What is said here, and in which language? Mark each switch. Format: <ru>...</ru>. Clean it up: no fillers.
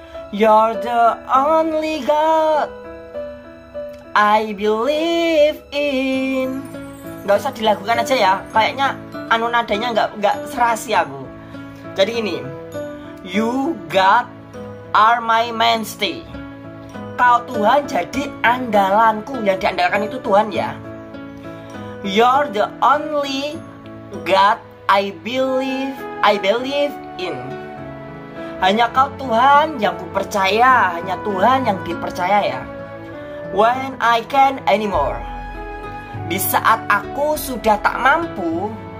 <en>You're the only God I believe in.</en> <id>Gak usah dilakukan aja ya. Kayaknya anu nadanya gak serasi aku. Jadi ini,</id> <en>You God are my mainstay.</en> <id>Kau Tuhan jadi andalanku. Jadi andalkan itu Tuhan ya.</id> <en>You're the only God I believe in.</en> <id>Hanya kau Tuhan yang ku percaya. Hanya Tuhan yang dipercaya ya.</id> <en>When I can't anymore.</en> <id>Di saat aku sudah tak mampu.</id>